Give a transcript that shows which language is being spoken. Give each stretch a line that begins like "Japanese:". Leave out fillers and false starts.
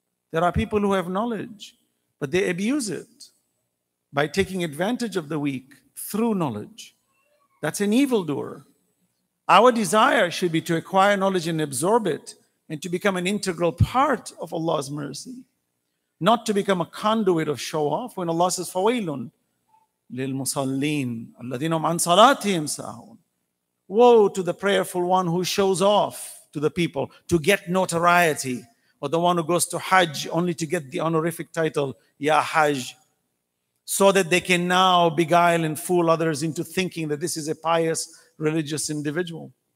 English: There are people who have knowledge, but they abuse it by taking advantage of the weak through knowledge. That's an evildoer. Our desire should be to acquire knowledge and absorb it and to become an integral part of Allah's mercy, not to become a conduit of show-off. When Allah says,
Arabic: فَوَيْلٌ لِلْمُصَلِّينَ الَّذِينَ هُمْ عَنْ صَلَاتِهِمْ سَاهُونَ.
English: Woe to the prayerful one who shows off to the people to get notoriety, or the one who goes to Hajj only to get the honorific title, Ya Hajj, so that they can now beguile and fool others into thinking that this is a pious religious individual.